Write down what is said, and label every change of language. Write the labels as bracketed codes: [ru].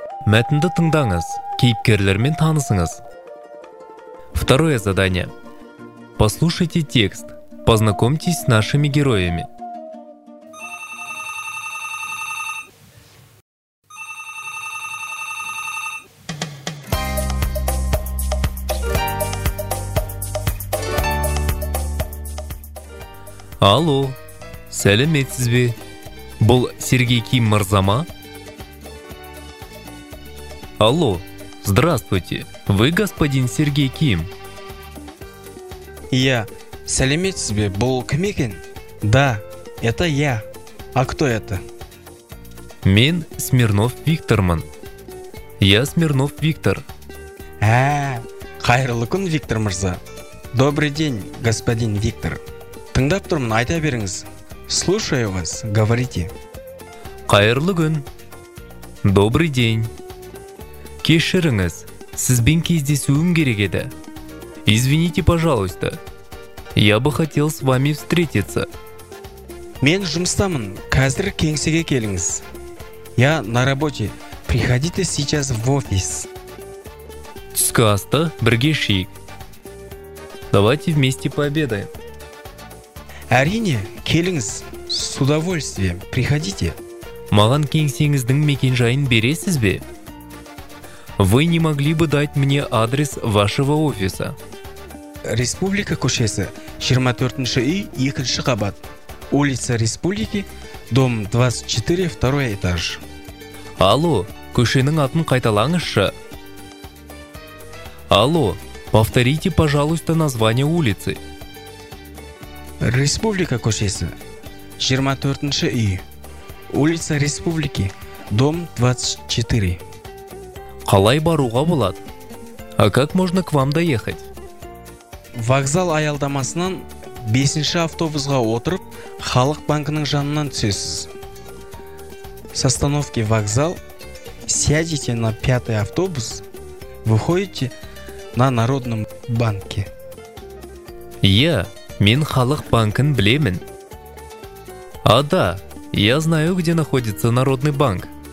[kk] Мәтінді тыңдаңыз, кейіпкерлермен танысыңыз. [ru] Второе задание. Послушайте текст, познакомьтесь с нашими героями. [kk] Алло, сәлеметсіз бе? Бұл Сергей Ким Мырзама? [ru] Алло, здравствуйте, вы господин Сергей Ким? Я. [kk] Сәлеметсіз бе? Бұл кім екен? [ru] Да, это я. А кто это? [kk] Мен Смирнов Виктормын. [ru] Я Смирнов Виктор. [kk] Қайырлы күн, Виктор Мырза. [ru] Добрый день, господин Виктор. [kk] Тыңдап тұрмын, айта беріңіз. [ru] Слушаю вас, говорите. [kk] Қайырлы күн. [ru] Добрый день. [kk] Кешіріңіз, сізбен кездесуім керек еді. [ru] Извините, пожалуйста. Я бы хотел с вами встретиться. [kk] Мен жұмыстамын. Қазір кеңсеге келіңіз. [ru] Я на работе. Приходите сейчас в офис. [kk] Түскі асты бірге ішейік. [ru] Давайте вместе пообедаем. [kk] Әрине, келіңіз. [ru] С удовольствием. Приходите. [kk] Маған кеңсеңіздің мекенжайын бересіз бе? [ru] Вы не могли бы дать мне адрес вашего офиса? [kk] Республика көшесі, 24-ші үй, 2-ші қабат. [ru] Улица Республики, дом 24, 2 этаж. [kk] Алло, көшенің атын қайталаңызшы. [ru] Алло, повторите, пожалуйста, название улицы. [kk] Республика көшесі, 24-ші үй. [ru] Улица Республики, дом 24. [kk] Қалай баруға болады? [ru] А как можно к вам доехать? [kk] Вокзал аялдамасынан 5-ші автобусға отырып, Халық банкының жанынан түсесіз. [ru] С остановки вокзал сядете на 5-й автобус, выходите на Народном банке. [kk] Я, мен Халық банкын білемін. [ru] А да, я знаю, где находится Народный банк.